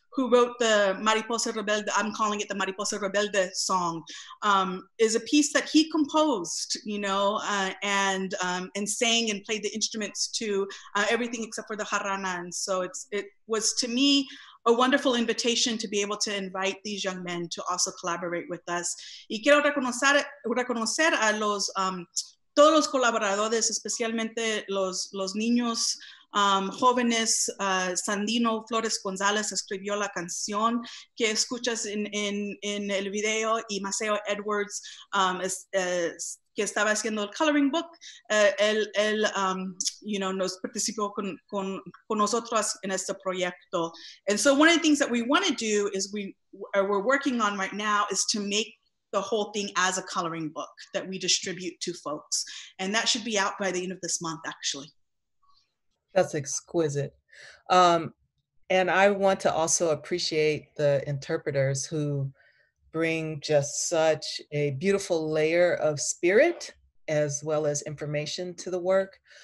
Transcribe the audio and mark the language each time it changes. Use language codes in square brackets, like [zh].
[en] who wrote the Mariposa Rebelde, I'm calling it the Mariposa Rebelde song, is a piece that he composed, you know, and sang and played the instruments to everything except for the jarana. And so it was to me a wonderful invitation to be able to invite these young men to also collaborate with us. [es] Y quiero reconocer a los todos los colaboradores, especialmente los niños jóvenes. Sandino Flores González escribió la canción que escuchas en el video, y Maceo Edwards, que estaba haciendo el coloring book, nos participó con nosotros en este proyecto. [en] And so one of the things that we want to do is we're working on right now is to make the whole thing as a coloring book that we distribute to folks. And that should be out by the end of this month, actually. That's exquisite. And I want to also appreciate the interpreters who bring just such a beautiful layer of spirit as well as information to the work.